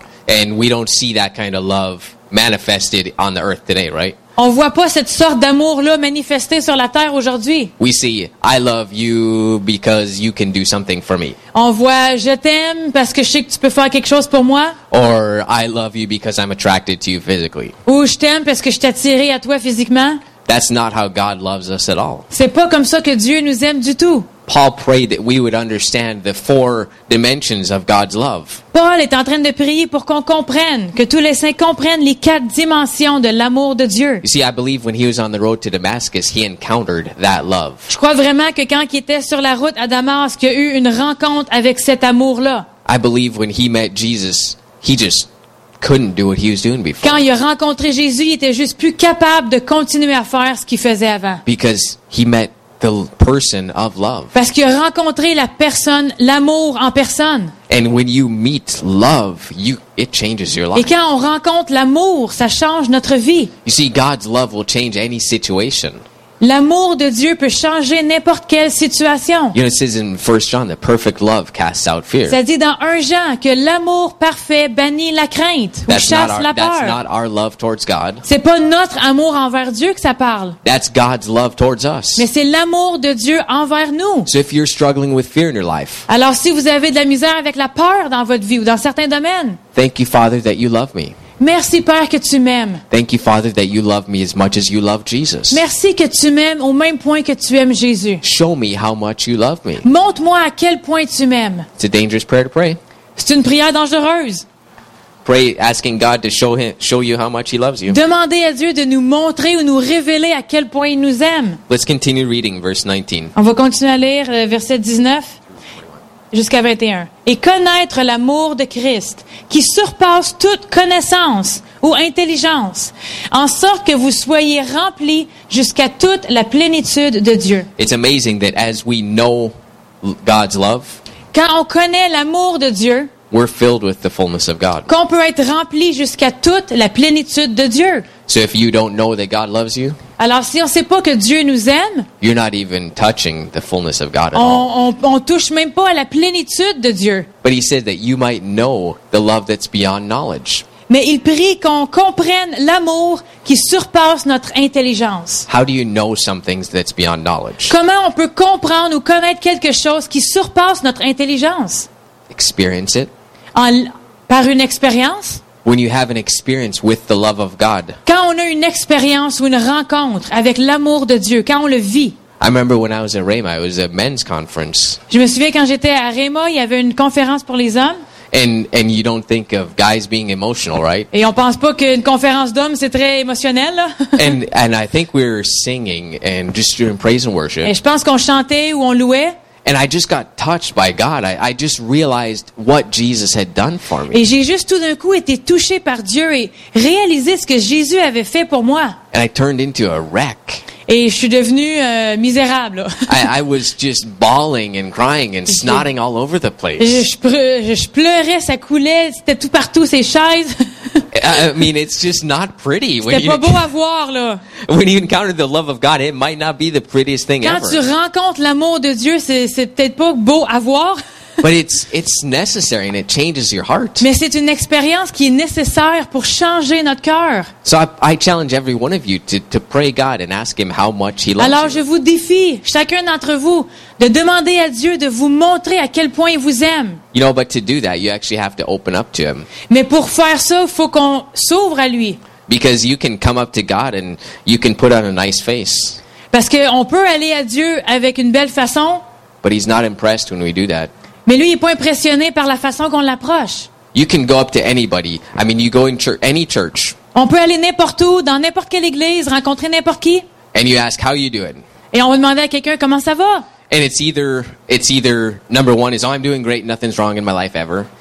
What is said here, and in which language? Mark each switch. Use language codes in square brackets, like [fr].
[en] And we don't see that kind of love manifested on the earth today, right? [fr] On voit pas cette sorte d'amour-là manifesté sur la terre aujourd'hui. [en] We see, I love you because you can do something for me. [fr] On voit, je t'aime parce que je sais que tu peux faire quelque chose pour moi. [en] Or, I love you because I'm attracted to you physically. [fr] Ou je t'aime parce que je suis attiré à toi physiquement. [en] That's not how God loves us at all. [fr] C'est pas comme ça que Dieu nous aime du tout. [en] Paul prayed that we would understand the four dimensions of God's love. [fr] Paul est en train de prier pour qu'on comprenne, que tous les saints comprennent les quatre dimensions de l'amour de Dieu. [en] You see, I believe when he was on the road to Damascus, he encountered that love. [fr] Je crois vraiment que quand il était sur la route à Damas, qu'il y a eu une rencontre avec cet amour-là. [en] I believe when he met Jesus, he just couldn't do what he was doing before. [fr] Quand il a rencontré Jésus, il était juste plus capable de continuer à faire ce qu'il faisait avant. [en] Because he met the person of love. [fr] Parce qu'il a rencontré la personne, l'amour en personne. [en] And when you meet love, it changes your life. [fr] Et quand on rencontre l'amour, ça change notre vie. [en] You see, God's love will change any situation. [fr] L'amour de Dieu peut changer n'importe quelle situation. [en] You know, it says in 1 John that perfect love casts out fear. [fr] Ça dit dans 1 Jean que l'amour parfait bannit la crainte ou chasse la peur. [en] That's not our love towards God. [fr] C'est pas notre amour envers Dieu que ça parle. [en] That's God's love towards us. [fr] Mais c'est l'amour de Dieu envers nous. [en] So if you're struggling with fear in your life. [fr] Alors si vous avez de la misère avec la peur dans votre vie ou dans certains domaines. [en] Thank you, Father, that you love me. [fr] Merci Père que tu m'aimes. [en] Thank you Father that you love me as much as you love Jesus. [fr] Merci que tu m'aimes au même point que tu aimes Jésus. [en] Show me how much you love me. [fr] Montre-moi à quel point tu m'aimes. [en] It's a dangerous prayer to pray. [fr] C'est une prière dangereuse. [en] Pray asking God to show you how much he loves you. [fr] Demandez à Dieu de nous montrer ou nous révéler à quel point il nous aime. [en] Let's continue reading verse 19. [fr] On va continuer à lire verset 19. Jusqu'à 21. Et connaître l'amour de Christ, qui surpasse toute connaissance ou intelligence, en sorte que vous soyez remplis jusqu'à toute la plénitude de Dieu. [en] It's amazing that as we know God's love, [fr] quand on connaît l'amour de Dieu, [en] we're filled with the fullness of God. [fr] Qu'on peut être rempli jusqu'à toute la plénitude de Dieu. [en] So if you don't know that God loves you, [fr] alors si on ne sait pas que Dieu nous aime, [en] you're not even touching the fullness of God at [fr] on touche même pas à la plénitude de Dieu. [en] But he said that you might know the love that's beyond knowledge. [fr] Mais il prie qu'on comprenne l'amour qui surpasse notre intelligence. [en] How do you know some things that's beyond knowledge? [fr] Comment on peut comprendre ou connaître quelque chose qui surpasse notre intelligence? [en] Experience it. [fr] Par une expérience? [en] When you have an experience with the love of God. [fr] Quand on a une expérience ou une rencontre avec l'amour de Dieu, quand on le vit. [en] I remember when I was at Rhema, it was a men's conference. [fr] Je me souviens quand j'étais à Rhema, il y avait une conférence pour les hommes. [en] And you don't think of guys being emotional, right? [fr] Et on pense pas qu'une conférence d'hommes c'est très émotionnel là. [en] And I think we were singing and just doing praise and worship. [fr] Et je pense qu'on chantait ou on louait. [en] And I just got touched by God. I just realized what Jesus had done for me. [fr] Et j'ai juste tout d'un coup été touché par Dieu et réalisé ce que Jésus avait fait pour moi. [en] And I turned into a wreck. [fr] Et je suis devenu misérable. [en] I was just bawling and crying and snotting all over the place. [fr] Je pleurais, ça coulait, c'était tout partout ces chaises. [en] I mean, it's just not pretty. [fr] C'était pas beau à voir là. [en] When you encounter the love of God, it might not be the prettiest thing [fr] quand [en] ever. [fr] Quand tu rencontres l'amour de Dieu, c'est peut-être pas beau à voir. [en] But it's necessary and it changes your heart. [fr] Mais c'est une expérience qui est nécessaire pour changer notre cœur. [en] So I challenge every one of you to pray God and ask him how much he loves you. Alors you. [fr] Je vous défie chacun d'entre vous de demander à Dieu de vous montrer à quel point il vous aime. [en] You know, but to do that you actually have to open up to him. [fr] Mais pour faire ça, il faut qu'on s'ouvre à lui. [en] Because you can come up to God and you can put on a nice face. [fr] Parce que on peut aller à Dieu avec une belle façon. [en] But he's not impressed when we do that. [fr] Mais lui, il n'est pas impressionné par la façon qu'on l'approche. [en] You can go up to anybody. I mean, you go in any church. [fr] On peut aller n'importe où, dans n'importe quelle église, rencontrer n'importe qui. [en] And you ask, how are you doing? [fr] Et on va demander à quelqu'un comment ça va. [en] And it's either number one is, oh, I'm doing great, nothing's wrong in my life ever.